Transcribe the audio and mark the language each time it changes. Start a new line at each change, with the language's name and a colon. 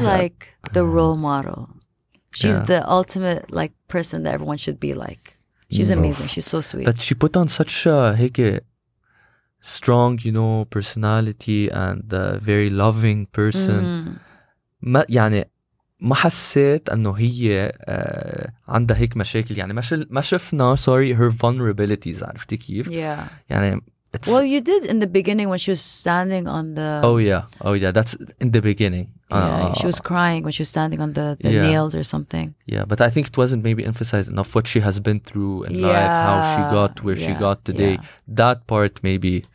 English: like the role model. She's the ultimate like person that everyone should be like. She's amazing. She's so sweet. But she put on such a... strong, you know, personality and a very loving person.
Arabic: ما حسيت انه هي عندها هيك مشاكل يعني ما شفنا
English: sorry her vulnerabilities
Arabic: عرفتي كيف يعني
English: it's well you did in the beginning when she was standing on the oh yeah that's in the beginning she was crying when she was standing on the nails or something but I think it wasn't maybe emphasized enough what she has been through in life, how she got to where she got today that part maybe